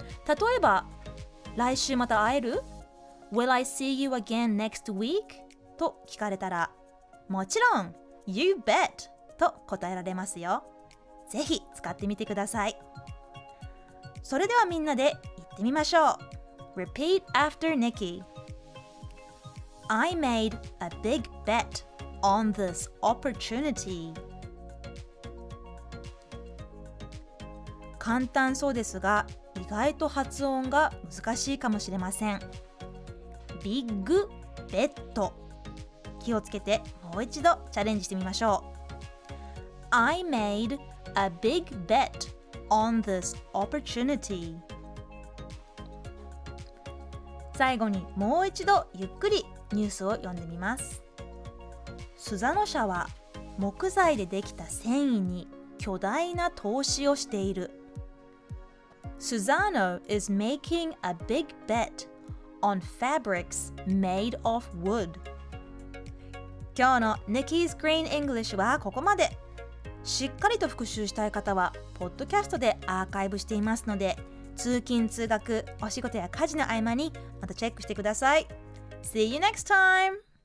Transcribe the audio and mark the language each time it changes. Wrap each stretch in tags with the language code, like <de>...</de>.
<ja>例えば来週また会える、</ja> <en>Will I see you again next week</en> <ja>と聞かれたらもちろん</ja> <en>You bet</en> <ja>と答えられますよ。ぜひ使ってみてください。それではみんなで言ってみましょう。</ja> <en>Repeat after NikkiI made a big bet on this opportunity.</en> <ja>簡単そうですが、意外と発音が難しいかもしれません。</ja> <en>Big bet。</en> <ja>気をつけてもう一度チャレンジしてみましょう。</ja> <en>I made a big bet on this opportunity.</en> <ja>最後にもう一度ゆっくりニュースを読んでみます。スザノ社は木材でできた繊維に巨大な投資をしている。</ja> <en>Suzano is making a big bet on fabrics made of wood。</en> <ja>今日の Nikki's Green English はここまで。しっかりと復習したい方はポッドキャストでアーカイブしていますので、通勤通学、お仕事や家事の合間にまたチェックしてください。</ja> <en>See you next time!</en>